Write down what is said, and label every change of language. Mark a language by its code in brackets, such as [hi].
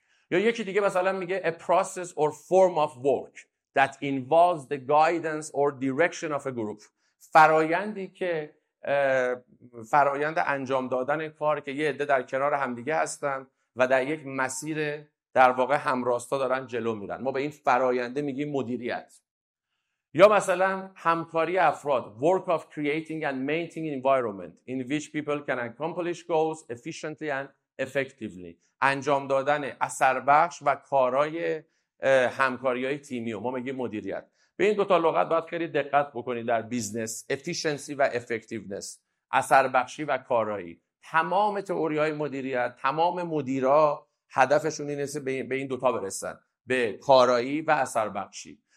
[fa] یا یکی دیگه مثلا میگه [en] a process or form of work that involves the guidance or direction of a group. [fa] فرایندی که فرایند انجام دادن کار که یه عده در کنار همدیگه هستن و در یک مسیر در واقع همراستا دارن جلو میرن، ما به این فراینده میگیم مدیریت. یا مثلا همکاری افراد، [en] work of creating and maintaining environment in which people can accomplish goals efficiently and effectively. [fa] انجام دادن اثر بخش و کارای همکاریای تیمی و ما میگیم مدیریت. به این دو تا لغت باید خیلی دقت بکنید در بیزنس، efficiency و effectiveness، اثر بخشی و کارایی. تمام تئوری‌های مدیریت، تمام مدیرا هدفشون اینه که به این دوتا برسن، به کارایی و اثر بخشی.